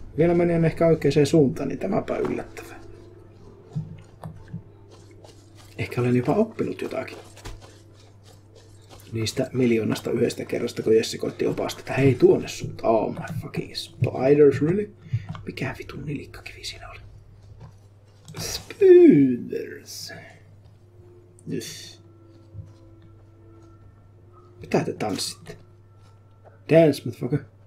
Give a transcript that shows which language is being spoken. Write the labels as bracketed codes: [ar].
[fi] Vielä menen ehkä oikeaan suuntaan, niin tämäpä yllättävä. Ehkä olen jopa oppinut jotakin. Niistä miljoonasta yhdestä kerrasta, kun Jesse koitti opastaa, että hei tuonne suuntaan. [en] Oh my fucking spiders, really? [fi] Mikä vitun nilikkakivi siinä oli? [en] Spooders. Yes. [fi] Mitä te tanssitte? [en] Dance, motherfucker.